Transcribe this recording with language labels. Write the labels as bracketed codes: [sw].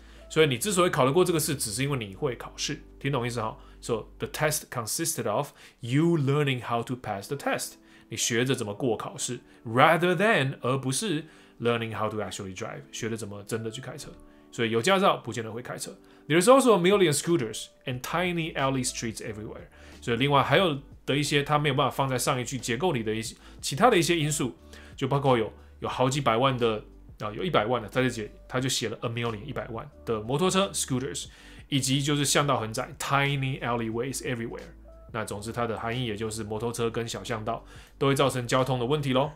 [zh] 所以你之所以考得过这个试，只是因为你会考试，听懂意思哈？ [en] 所以 the test consisted of you learning how to pass the test， [zh] 你学着怎么过考试 [en] ，rather than [zh] 而不是 [en] learning how to actually drive， [zh] 学着怎么真的去开车。所以有驾照不见得会开车。 [en] There's also a million scooters and tiny alley streets everywhere。 [zh] 所以另外还有的一些它没有办法放在上一句结构里的一些其他的一些因素。就包括 有好几百万的、啊、有一百万的在这节他就写了 a million 一百万的摩托车 scooters， 以及就是巷道很窄 [en] tiny alleyways everywhere， [zh] 那总之它的含义也就是摩托车跟小巷道都会造成交通的问题咯。